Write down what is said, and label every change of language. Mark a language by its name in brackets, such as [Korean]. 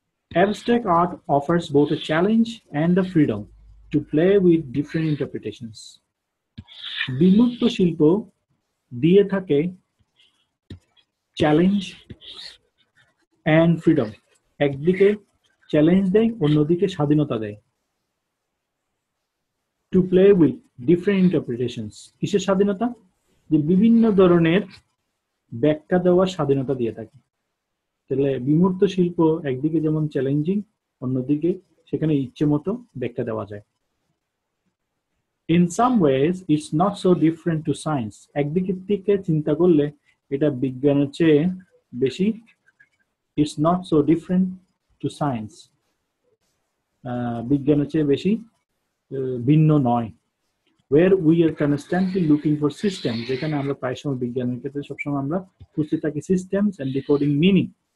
[English] abstract art offers both a challenge and the freedom to play with different interpretations, [Bangla] বিমূর্ত শিল্প দিয়ে থাকে challenge and freedom, একদিকে challenge দেয় অন্যদিকে স্বাধীনতা দেয়। [English] to play with different interpretations. [Bangla] কিসের স্বাধীনতা? যে বিভিন্ন ধরনের ব্যাখ্যা দেওয়ার স্বাধীনতা দিয়ে থাকে। তাহলে বিমূর্ত শিল্প একদিকে যেমন চ্যালেঞ্জিং, অন্যদিকে সেখানে ইচ্ছে মতো ব্যাখ্যা দেওয়া যায়। [English] In some ways, it's not so different to science. [Bangla] একদিকে থেকে চিন্তা করলে এটা বিজ্ঞানের চেয়ে বেশি, [English] it's not so different to science. [Bangla] বিজ্ঞানের চেয়ে বেশি ভিন্ন নয়। [English] Where we are constantly looking for systems, [Bangla] যেখানে আমরা প্রায় সময় বিজ্ঞানের ক্ষেত্রে সবসময় আমরা খুঁজতে থাকি [English] systems and decoding meaning.